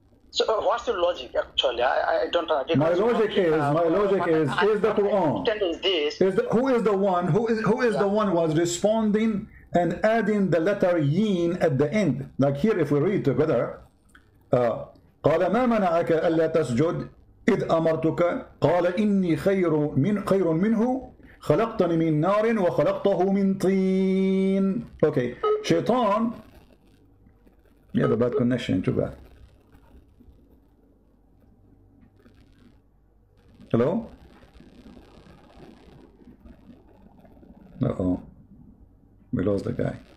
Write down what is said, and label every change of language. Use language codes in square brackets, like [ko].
[en] So what's your logic, actually? I don't understand. My logic is the Quran. Who is the one was responding and adding the letter yin at the end? Like here, if we read together, [ar] قَالَ مَا مَنَعَكَ أَلَّا تَسْجُدْ إِذْ أَمَرْتُكَ قَالَ إِنِّي خَيْرٌ مِنْهُ خَلَقْتَنِ مِنْ نَارٍ وَخَلَقْتَهُ مِنْ طِينٍ. [en] Okay, Shaitan. You have a bad connection, too bad. Hello? Uh-oh. We lost the guy.